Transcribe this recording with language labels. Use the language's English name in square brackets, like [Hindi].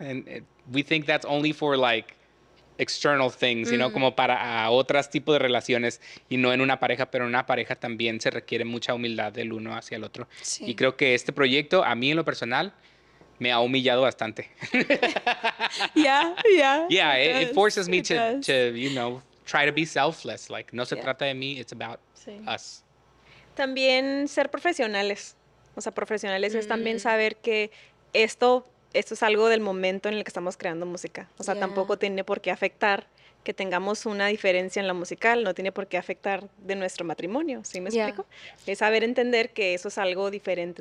[English] And we think that's only for like external things, you know, [Spanish] como para otras tipos de relaciones y no en una pareja, pero en una pareja también se requiere mucha humildad del uno hacia el otro. Sí. Y creo que este proyecto, a mí en lo personal, me ha humillado bastante. [English] It forces me to, you know, try to be selfless. Like, [Spanish] no se trata de mí, [English] it's about us. [Spanish] También ser profesionales. O sea, profesionales es también saber que esto es algo del momento en el que estamos creando música. O sea, tampoco tiene por qué afectar que tengamos una diferencia en lo musical. No tiene por qué afectar de nuestro matrimonio. ¿Sí me explico? Es saber entender que eso es algo diferente.